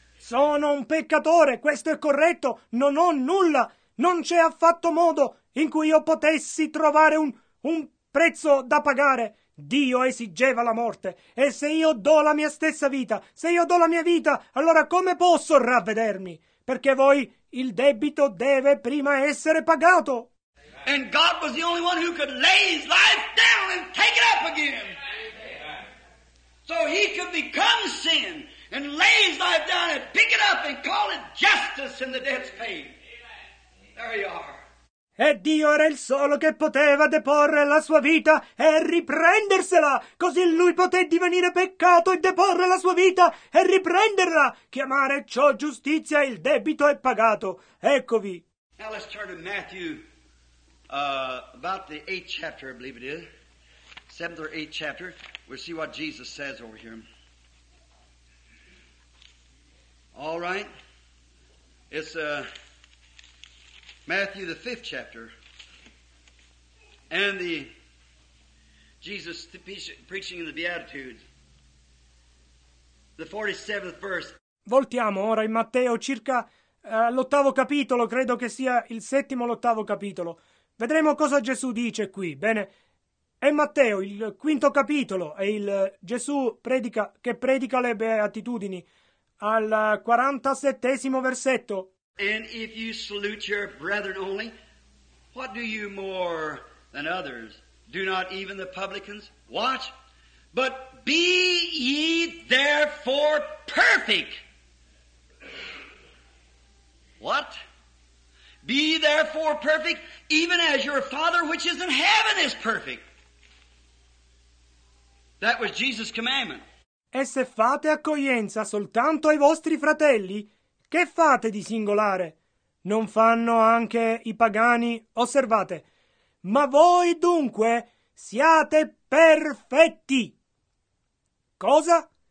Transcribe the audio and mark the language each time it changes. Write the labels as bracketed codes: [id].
[it] Sono un peccatore, questo è corretto. Non ho nulla. Non c'è affatto modo in cui io potessi trovare un prezzo da pagare. Dio esigeva la morte. E se io do la mia stessa vita, se io do la mia vita, allora come posso ravvedermi? Perché voi, il debito deve prima essere pagato. [en] And God was the only one who could lay his life down and take it up again. So he could become sin and lay his life down and pick it up and call it justice and the debt's paid. There you are. [it] E Dio era il solo che poteva deporre la sua vita e riprendersela. Così lui poté divenire peccato e deporre la sua vita e riprenderla. Chiamare ciò giustizia, il debito è pagato. Eccovi. [en] Now let's turn to Matthew, about the 8th chapter, I believe it is. 7th or 8th chapter. We'll see what Jesus says over here. All right. It's Matthew, the 5th chapter, and the Jesus preaching in the Beatitudes, the 47th verse. [it] Voltiamo ora in Matteo, circa l'ottavo capitolo, credo che sia il settimo o l'ottavo capitolo. Vedremo cosa Gesù dice qui. Bene, è Matteo, il quinto capitolo, e il Gesù predica, che predica le Beatitudini, al 47esimo versetto. [en] And if you salute your brethren only, what do you more than others? Do not even the publicans? Watch. But be ye therefore perfect. What? Be therefore perfect, even as your Father which is in heaven is perfect. That was Jesus' commandment. [it] E se fate accoglienza soltanto ai vostri fratelli, che fate di singolare? Non fanno anche i pagani? Osservate. Ma voi dunque siate perfetti. Cosa?